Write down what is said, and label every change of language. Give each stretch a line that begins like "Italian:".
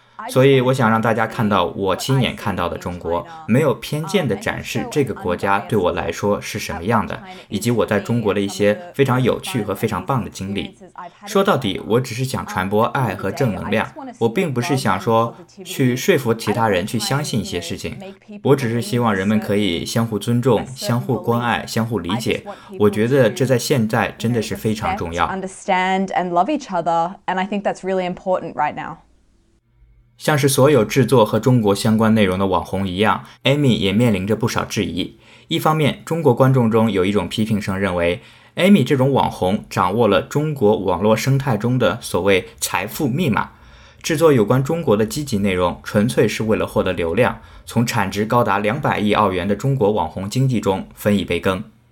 Chinese: 所以我想让大家看到我亲眼看到的中国，没有偏见地展示这个国家对我来说是什么样的，以及我在中国的一些非常有趣和非常棒的经历。说到底，我只是想传播爱和正能量，我并不是想说去说服其他人去相信一些事情，我只是希望人们可以相互尊重，相互关爱，相互理解。我觉得这在现在真的是非常重要。
English: Understand and love each other, and I think that's really important right now.
Chinese: 像是所有制作和中国相关内容的网红一样， Amy 也面临着不少质疑。一方面，中国观众中有一种批评声认为， Amy 这种网红掌握了中国网络生态中的所谓财富密码，制作有关中国的积极内容纯粹是为了获得流量，从产值高达200亿澳元的中国网红经济中分一杯羹。